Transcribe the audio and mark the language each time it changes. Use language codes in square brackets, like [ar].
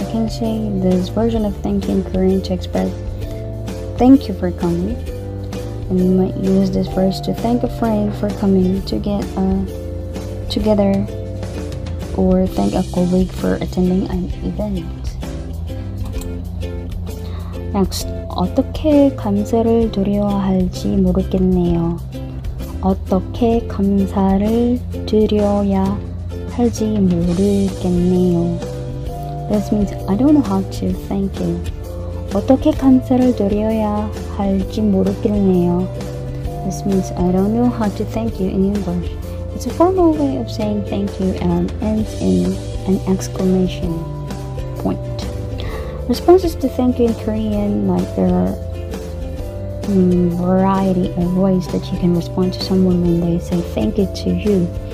[en] I can say this version of thank you in Korean to express thank you for coming. And you might use this verse to thank a friend for coming to get together or thank a colleague for attending an event. [ko] Next, 어떻게 감사를 드려야할지 모르겠네요. 어떻게 감사를 드려야 할지 모르겠네요. [en] This means I don't know how to thank you. [ko] 어떻게 감사를 드려야 할지 모르겠네요. [en] This means I don't know how to thank you in English. It's a formal way of saying thank you and ends in an exclamation point. Responses to thank you in Korean, like there are variety of ways that you can respond to someone when they say thank you to you.